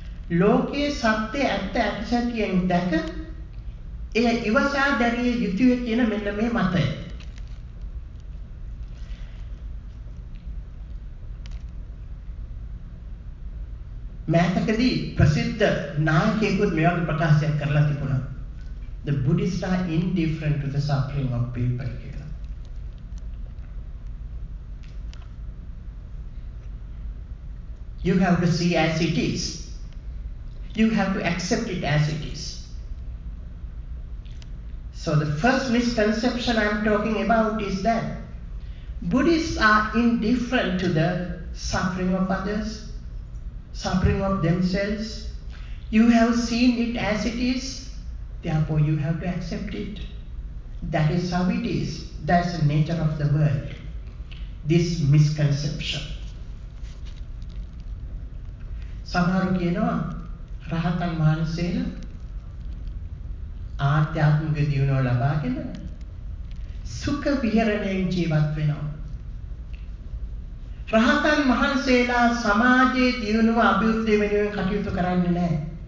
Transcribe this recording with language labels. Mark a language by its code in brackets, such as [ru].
[si] ලෝකයේ සත්‍ය ඇත්ත ඇත්තෙන් දැක එය ඉවසා දැරිය යුතුය කියන මෙන්න මේ මතය. මෑතකදී ප්‍රසිද්ධ නායකයෙකුත් මේ වගේ ප්‍රකාශයක් කරලා තිබුණා. [en] The Buddhists are indifferent to the suffering of people [si] කියලා. [en] You have to see as it is. You have to accept it as it is. So the first misconception I'm talking about is that Buddhists are indifferent to the suffering of others, suffering of themselves. You have seen it as it is, therefore you have to accept it. That is how it is. That's the nature of the world. This misconception. [si] Samharu kiyenawa රහතන් වහන්සේලා ආධ්‍යාත්මික දියුණුව ලබාගෙන සුඛ විහරණයෙන් ජීවත් වෙනවා. රහතන් වහන්සේලා සමාජයේ දියුණුව අභිවෘද්ධිය වෙනුවෙන් කටයුතු කරන්නේ නැහැ.